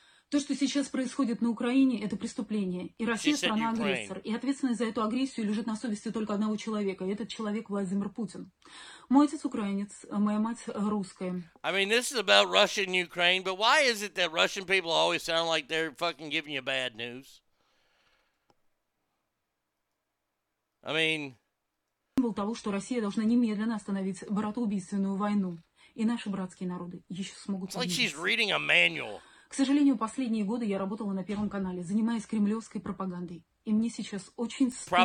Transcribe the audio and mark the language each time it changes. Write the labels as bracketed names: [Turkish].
[Russian] То, что сейчас происходит на Украине, это преступление. И Россия страна-агрессор. И ответственность за эту агрессию лежит на совести только одного человека. И этот человек Владимир Путин. Мой отец украинец, моя мать русская. [English] I mean, this is about Russia and Ukraine, but why is it that Russian people always sound like they're fucking giving you bad news? I mean... [Russian] ...был того, что Россия должна немедленно остановить братоубийственную войну. И наши братские народы еще смогут... [English] It's like she's reading a manual. [Russian] К сожалению, последние годы я работала на Первом канале, занимаясь кремлевской пропагандой. И мне сейчас очень стыдно